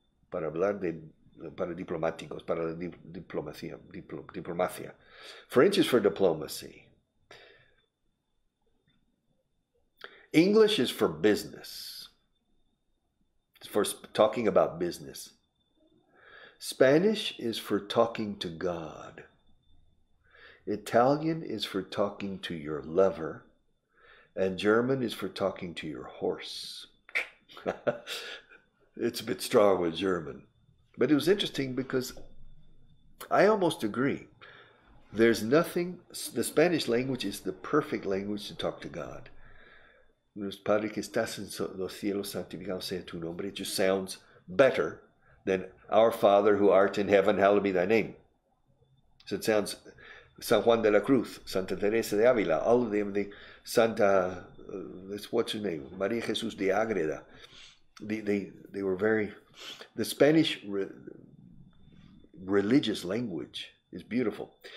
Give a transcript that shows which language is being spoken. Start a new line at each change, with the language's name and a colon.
Spanish: Para hablar de, para diplomáticos, para la diplomacia, diplomacia.
English: French is for diplomacy. English is for business, for talking about business. Spanish is for talking to God. Italian is for talking to your lover. And German is for talking to your horse. It's a bit strong with German. But it was interesting because I almost agree. There's nothing, the Spanish language is the perfect language to talk to God.
Spanish: Padre que estás en los cielos, santificado sea tu nombre.
English: It just sounds better than Our Father who art in heaven, hallowed be thy name. So it sounds San Juan de la Cruz, Santa Teresa de Ávila, all of them, the Santa, what's her name? María Jesús de Ágreda. They were very, the Spanish religious language is beautiful.